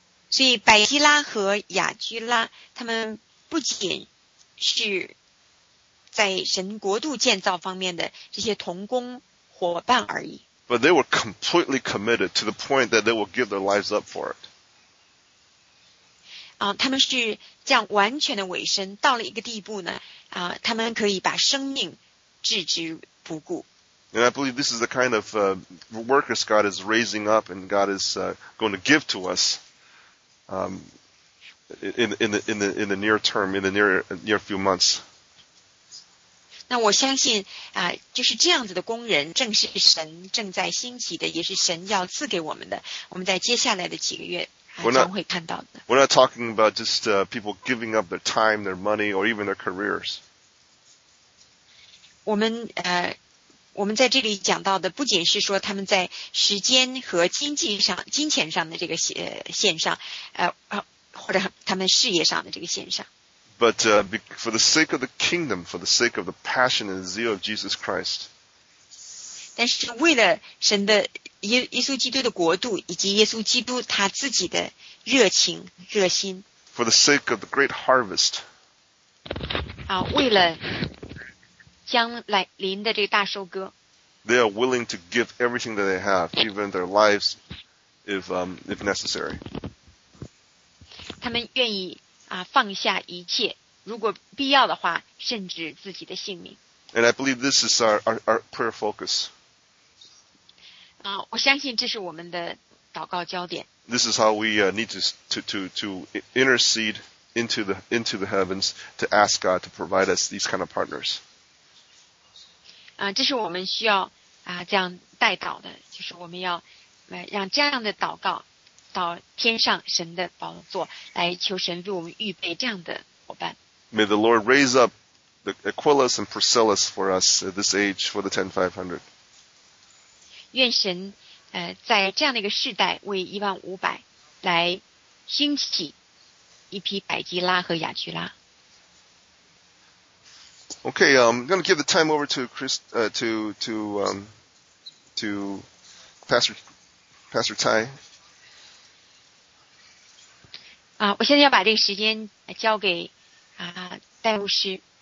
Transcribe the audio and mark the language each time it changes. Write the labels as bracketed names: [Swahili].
[Chinese] 所以百基拉和雅居拉他们不仅是在神国度建造方面的这些同工伙伴而已。 [English] But they were completely committed to the point that they will give their lives up for it. [Chinese] 他们是这样完全的委身到了一个地步呢他们可以把生命置之不顾。 [English] And I believe this is the kind of workers God is raising up and God is going to give to us in the near few months. [Chinese] 那我相信就是这样子的工人正是神正在兴起的，也是神要赐给我们的，我们在接下来的几个月将会看到的。 [English] We're not talking about just people giving up their time, their money, or even their careers. [Chinese] 我们在这里讲到的不仅是说他们在时间和经济上、金钱上的这个线上，或者他们事业上的这个线上。 [English] But for the sake of the kingdom, for the sake of the passion and zeal of Jesus Christ. [Chinese] 但是为了神的耶稣基督的国度以及耶稣基督他自己的热情热心。 [English] For the sake of the great harvest. [Chinese] 为了将来临的这个大收割。 [English] They are willing to give everything that they have, even their lives, if necessary. [Chinese] 他们愿意放下一切，如果必要的话，甚至自己的性命。 [English] And I believe this is our prayer focus. [Chinese] 我相信这是我们的祷告焦点。 [English] This is how we need to intercede into the heavens to ask God to provide us these kind of partners. [Chinese] 这是我们需要这样代祷的，就是我们要让这样的祷告。到天上神的宝座来求神为我们预备这样的伙伴。 [English] May the Lord raise up the Aquilas and Priscillas for us at this age for the 10500. [Chinese] 愿神在这样的一个世代为1500来兴起一批百基拉和雅居拉。 [English] Okay, I'm going to give the time over to Pastor Tai. [Chinese] 我现在要把这个时间交给戴牧师。